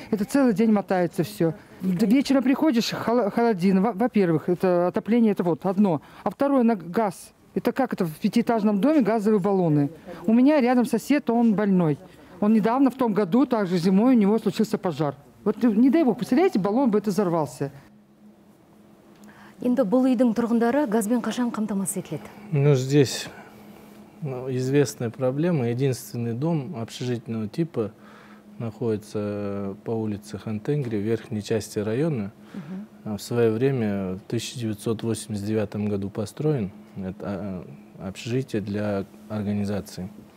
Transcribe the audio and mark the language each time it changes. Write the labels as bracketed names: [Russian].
[Russian] Это целый день мотается все. Вечером приходишь, холодина. Во-первых, это отопление, это вот одно. А второе, на газ. Это как это в пятиэтажном доме газовые баллоны. У меня рядом сосед, он больной. Он недавно, в том году, также зимой, у него случился пожар. Вот не дай бог, представляете, баллон бы это взорвался. [Kazakh] Енді бұл үйдің тұрғындары газбен қашан қамтамасыз етіледі? [Russian] Ну, здесь известная проблема. Единственный дом общежитного типа находится по улице Хантенгри, в верхней части района. В свое время, в 1989 году построен. Это общежитие для организации.